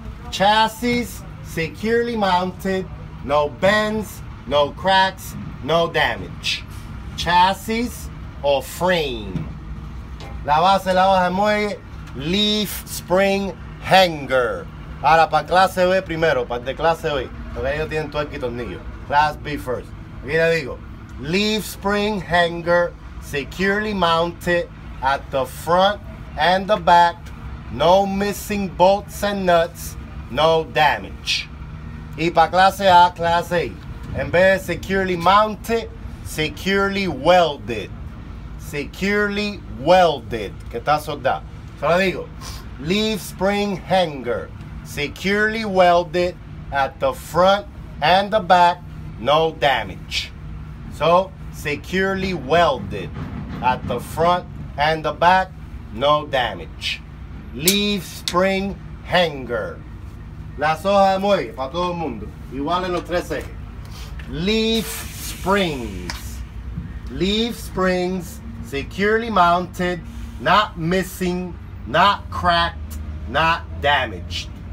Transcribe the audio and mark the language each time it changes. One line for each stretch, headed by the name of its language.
English: Chassis securely mounted, no bends, no cracks, no damage.
Spanish: Chassis o frame. La base, la hoja de muelle,
English: leaf spring hanger.
Spanish: Ahora, para clase B primero, para de clase B, porque ellos tienen tuerca y tornillo.
English: Class B first.
Spanish: Aquí le digo,
English: leaf spring hanger securely mounted at the front and the back, no missing bolts and nuts, no damage.
Spanish: Y para clase A, class A, en vez de
English: securely mounted, securely welded. Securely welded,
Spanish: que está soldado. Solo digo,
English: leaf spring hanger, securely welded at the front and the back, no damage. So, securely welded at the front and the back, no damage. Leaf spring hanger.
Spanish: Las hojas de muelle para todo el mundo. Igual en los tres ejes.
English: Leaf springs. Leaf springs securely mounted, not missing, not cracked, not damaged.